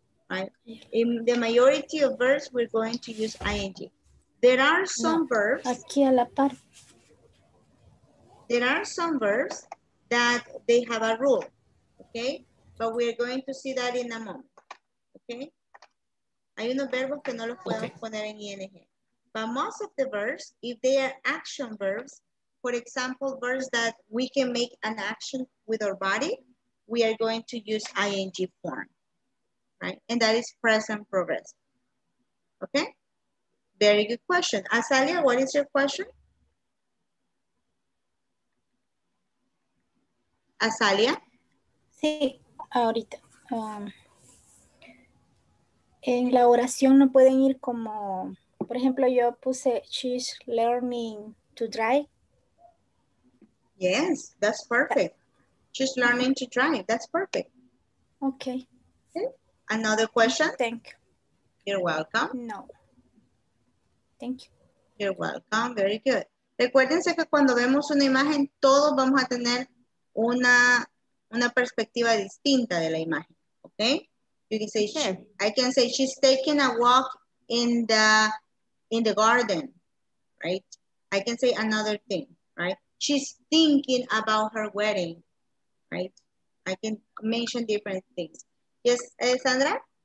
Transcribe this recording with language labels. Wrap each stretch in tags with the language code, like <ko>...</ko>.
<en>Right? In the majority of verbs, we're going to use ing. There are some verbs.</en> <es>Aquí a la par.</es> <en>There are some verbs that they have a rule, okay? But we're going to see that in a moment, okay?</en> <es>Hay unos verbos que no los podemos poner en ING.</es> <en>But most of the verbs, if they are action verbs, for example, verbs that we can make an action with our body, we are going to use ING form, right? And that is present progressive, okay? Very good question. Azalea, what is your question? Azalea?</en> <es>Sí, ahorita. En la oración no pueden ir como, por ejemplo, yo puse</es> <en>she's learning to drive. Yes, that's perfect. She's learning to drive. That's perfect. Okay. Okay. Another question? Thank you. You're welcome. No. Thank you. You're welcome. Very good.</en> <es>Recuérdense que cuando vemos una imagen, todos vamos a tener una perspectiva distinta de la imagen.</es> <en>Okay? You can say, I can say she's taking a walk in the garden, right? I can say another thing, right? She's thinking about her wedding, right? I can mention different things. Yes, Sandra?</en>